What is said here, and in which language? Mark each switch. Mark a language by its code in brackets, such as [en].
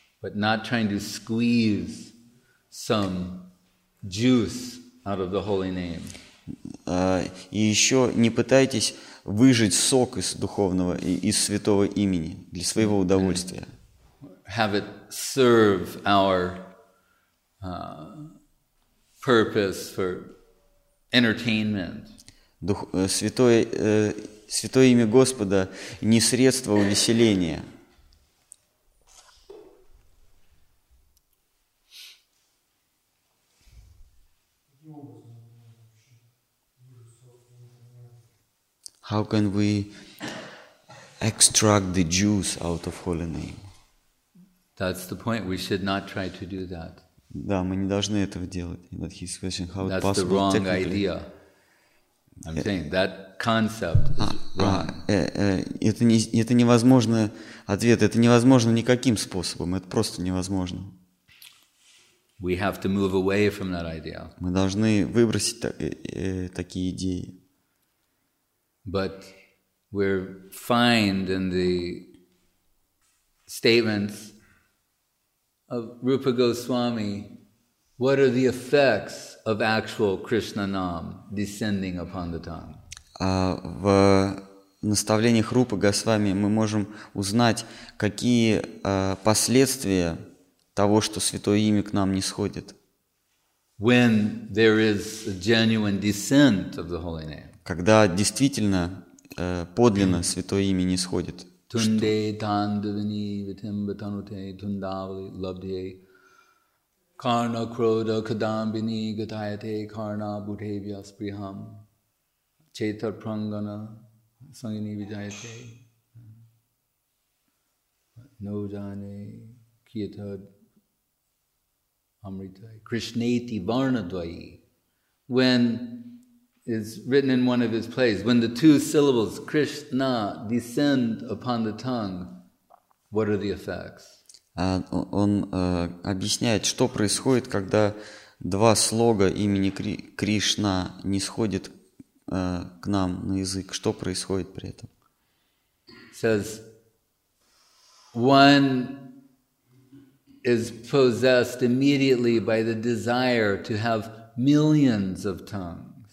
[en] But not trying to squeeze some juice out of the holy name. [ru] И еще не пытайтесь выжать сок из духовного, из святого имени для своего удовольствия. [en] Have it serve our purpose for entertainment. [ru] Святое имя Господа не средство увеселения. [en] How can we extract the juice out of holy name? That's the point. We should not try to do that. [ru] Да, мы не должны этого делать. [en] But he's questioning how that's it possible. That's the wrong idea. I'm saying that concept is wrong. [ru] Это невозможно ответ. Это невозможно никаким способом. Это просто невозможно. [en] We have to move away from that idea. [ru] Мы должны выбросить такие идеи. [en] But we're fine in the statements of Rupa Goswami. What are the effects of actual Krishna Nam descending upon the tongue? [ru] В наставлениях Рупы Госвами мы можем узнать, какие последствия того, что Святое Имя к нам нисходит. [en] When there is a genuine descent of the Holy Name. [ru] Когда действительно подлинно Святое Имя нисходит. [sa] Тунде тандавини витимбатануте тундавли лабдье карна крода кадамбини гатайате карна бутевья сприхам четар прангана сангини виджайате ноджане киетад амритай кришнети варнадвайи. [en] When is written in one of his plays, when the two syllables Krishna descend upon the tongue, what are the effects? [ru] Он объясняет, что происходит, когда два слога имени Кришна нисходит к нам на язык. Что происходит при этом? [en] Says one is possessed immediately by the desire to have millions of tongues.